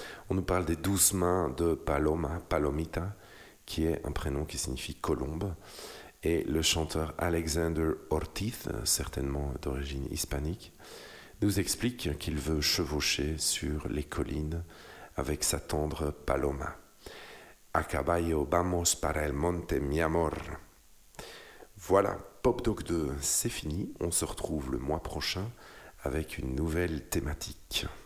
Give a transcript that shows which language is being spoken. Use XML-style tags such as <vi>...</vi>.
<fr>On nous parle des douces mains de Paloma, Palomita, qui est un prénom qui signifie « colombe ». Et le chanteur Alexander Ortiz, certainement d'origine hispanique, nous explique qu'il veut chevaucher sur les collines avec sa tendre Paloma.</fr> <es>A caballo vamos para el monte, mi amor.</es> <fr>Voilà, Pop Doc 2, c'est fini. On se retrouve le mois prochain avec une nouvelle thématique.</fr>